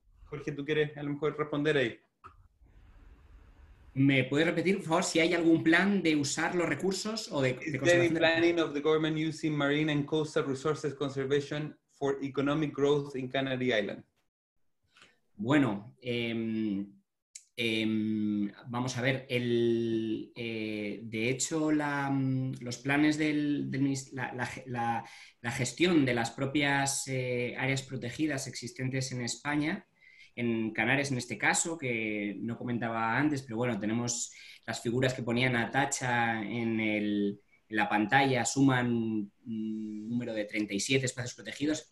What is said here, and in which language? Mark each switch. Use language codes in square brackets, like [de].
[es] Jorge, ¿tú quieres a lo mejor responder ahí? ¿Me puedes repetir, por favor, si hay algún plan de usar los recursos o de conservación? [en] Is there any planning of the government using marine and coastal resources conservation for economic growth in Canary Islands? [es] Bueno, vamos a ver, de hecho los planes la gestión de las propias áreas protegidas existentes en España, en Canarias en este caso, que no comentaba antes, pero bueno, tenemos las figuras que ponía Natacha en la pantalla, suman un número de 37 espacios protegidos.